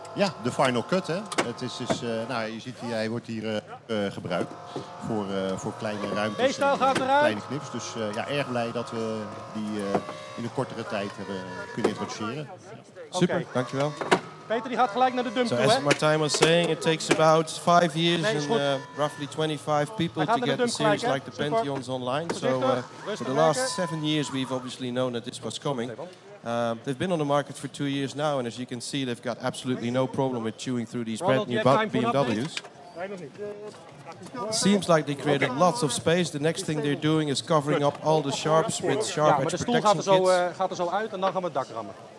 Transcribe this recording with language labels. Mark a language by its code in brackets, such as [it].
[nl] Ja, de final cut. Hè. Het is dus, je ziet, hij wordt hier gebruikt voor kleine ruimtes en gaat eruit. Kleine knips. Dus erg blij dat we die in een kortere tijd hebben kunnen introduceren. Super, dankjewel. Peter die gaat gelijk naar de dump toe. [en] As Martijn was saying, it takes about 5 years and roughly 25 people to get a series like the Pentions online. So for the last 7 years we've obviously known that this was coming. They've been on the market for 2 years now and as you can see they've got absolutely no problem with chewing through these brand new BMWs. Seems like they created lots of space. The next thing they're doing is covering up all the sharps with sharp edge protection kits. [nl] Ja, maar de stoel gaat er zo uit en dan gaan we het dak rammen.